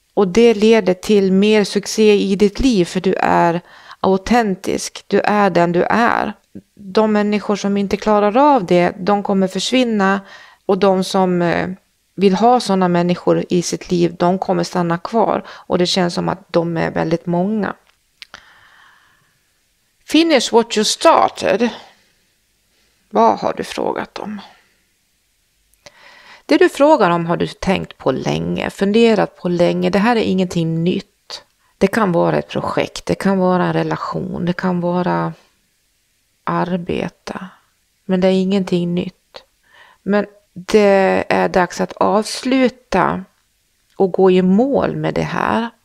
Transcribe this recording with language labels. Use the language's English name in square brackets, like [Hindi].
[Swedish] Och det leder till mer succé i ditt liv, för du är autentisk. Du är den du är. De människor som inte klarar av det, de kommer försvinna. Och de som vill ha sådana människor i sitt liv, de kommer stanna kvar. Och det känns som att de är väldigt många. [English] Finish what you started. [Swedish] Vad har du frågat om? Det du frågar om har du tänkt på länge, funderat på länge. Det här är ingenting nytt. Det kan vara ett projekt, det kan vara en relation, det kan vara arbeta. Men det är ingenting nytt. Men det är dags att avsluta och gå i mål med det här.